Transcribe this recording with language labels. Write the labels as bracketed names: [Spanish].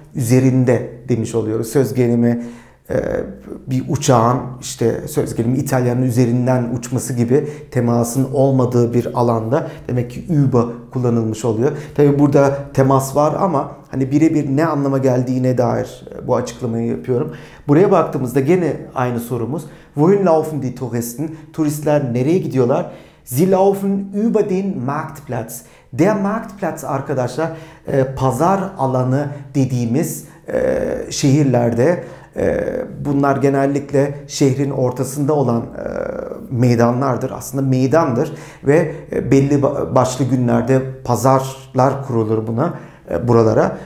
[Turkish] Üzerinde demiş oluyoruz. Söz gelimi bir uçağın, işte söz gelimi İtalya'nın üzerinden uçması gibi temasın olmadığı bir alanda demek ki über kullanılmış oluyor. Tabii burada temas var ama hani birebir ne anlama geldiğine dair bu açıklamayı yapıyorum. Buraya baktığımızda gene aynı sorumuz. [German] Wohin laufen die Touristen? [Turkish] Turistler nereye gidiyorlar? [German] Sie laufen über den Marktplatz. [Turkish] Der Marktplatz arkadaşlar, pazar alanı dediğimiz şehirlerde, bunlar genellikle şehrin ortasında olan meydanlardır. Aslında meydandır ve belli başlı günlerde pazarlar kurulur buna, buralara.